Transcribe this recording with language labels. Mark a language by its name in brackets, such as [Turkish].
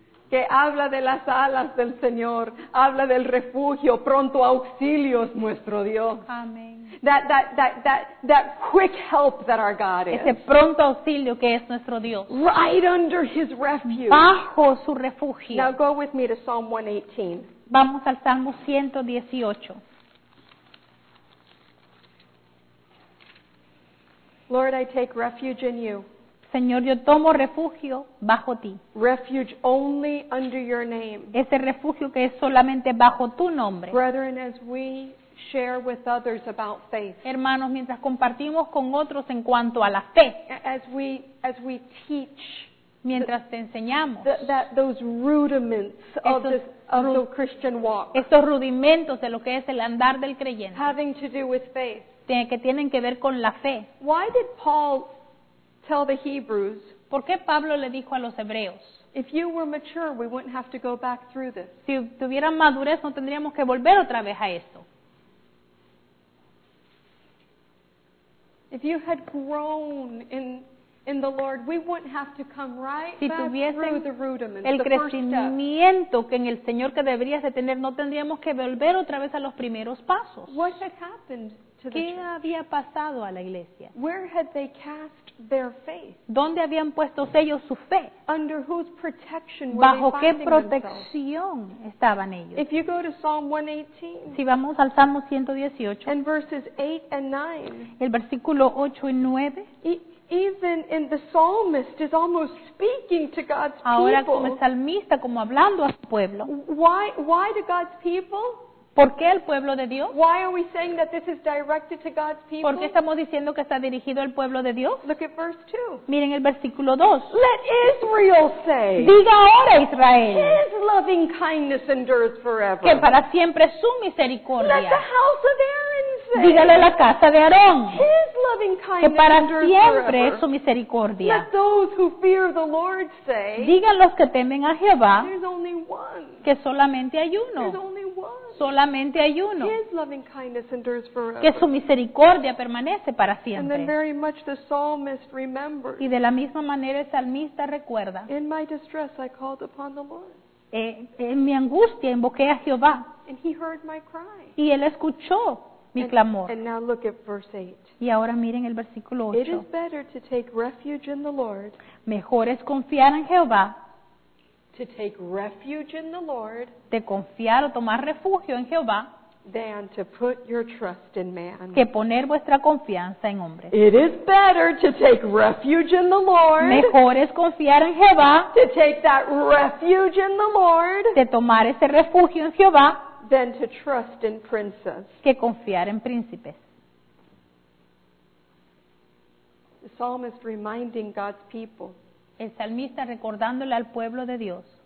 [Spanish] Que habla de las alas del Señor, habla del refugio, pronto auxilio es nuestro Dios. Amén. [English] That quick help that our God is. [Spanish] Ese pronto auxilio que es nuestro Dios. [English] Right under his refuge. [Spanish] Bajo su refugio. [English] Now go with me to Psalm 118. [Spanish] Vamos al Salmo 118. [English] Lord, I take refuge in you. [Spanish] Señor, yo tomo refugio bajo ti. [English] Refuge only under your name. [Spanish] Ese refugio que es solamente bajo tu nombre. [English] Brethren, as we share with others about faith. [Spanish] Hermanos, mientras compartimos con otros en cuanto a la fe. [English] As we teach. [Spanish] Mientras te enseñamos. [English] That those rudiments of this. Of the Christian walk. [Spanish] Estos rudimentos de lo que es el andar del creyente. [English] Having to do with faith. [Spanish] Que tienen que ver con la fe. [English] Why did Paul tell the Hebrews? [Spanish] ¿Por qué Pablo le dijo a los hebreos? [English] If you were mature, we wouldn't have to go back through this. [Spanish] Si tuvieran madurez, no tendríamos que volver otra vez a esto. [English] If you had grown in the Lord, we wouldn't have to come right [Spanish] si [English] back through the rudiments, [Spanish] el crecimiento que en el Señor que deberías de tener, no tendríamos que volver otra vez a los primeros pasos. [English] What had happened to the [Spanish] ¿Qué [English] church? [Spanish] Había pasado a la iglesia? [English] Where had they cast their faith? [Spanish] ¿Dónde habían puesto ellos su fe? [English] Under whose protection were [Spanish] ¿Bajo [English] they [Spanish] qué [English] finding [Spanish] protección [English] themselves? [Spanish] Estaban ellos? [English] If you go to Psalm 118, [Spanish] si vamos al Salmo 118, [English] and verses 8 and 9, [Spanish] el versículo 8 y 9, [English] Even in the psalmist is almost speaking to God's people. [Spanish] Ahora como el salmista, como hablando a su pueblo. [English] Why do God's people? [Spanish] ¿Por qué el pueblo de Dios? [English] Why are we saying that this is directed to God's people? [Spanish] ¿Por qué estamos diciendo que está dirigido al pueblo de Dios? [English] Look at verse 2. [Spanish] Miren el versículo 2. [English] Let Israel say. [Spanish] Diga ahora Israel. [English] His loving kindness endures forever. [Spanish] Que para siempre su misericordia. [English] Let the house of Aaron say. [Spanish] Dígale a la casa de Aarón. [English] His loving kindness [Spanish] que para [English] endures [Spanish] siempre [English] forever. [Spanish] Su misericordia. [English] Let those who fear the Lord say. [Spanish] Digan los que temen a Jehová. [English] There's only one. [Spanish] Que solamente hay uno. [English] There's only one. [Spanish] Solamente hay uno. [English] His loving kindness endures forever. [Spanish] Que su misericordia permanece para siempre. [English] And then very much the psalmist remembers. [Spanish] Y de la misma manera el salmista recuerda. [English] In my distress I called upon the Lord. [Spanish] En mi angustia invoqué a Jehová. [English] And he heard my cry. [Spanish] Y él escuchó mi clamor. [English] And now look at verse 8. [Spanish] Y ahora miren el versículo 8. [English] It is better to take refuge in the Lord. [Spanish] Mejor es confiar en Jehová. [English] To take refuge in the Lord, [Spanish] de confiar o tomar refugio en Jehová, [English] than to put your trust in man, [Spanish] que poner vuestra confianza en hombre. [English] It is better to take refuge in the Lord, [Spanish] mejor es confiar en Jehová, [English] to take that refuge in the Lord, [Spanish] de tomar ese refugio en Jehová, [English] than to trust in princes, [Spanish] que confiar en príncipes. [English] The psalmist reminding God's people. [Spanish] El salmista recordándole al pueblo de Dios.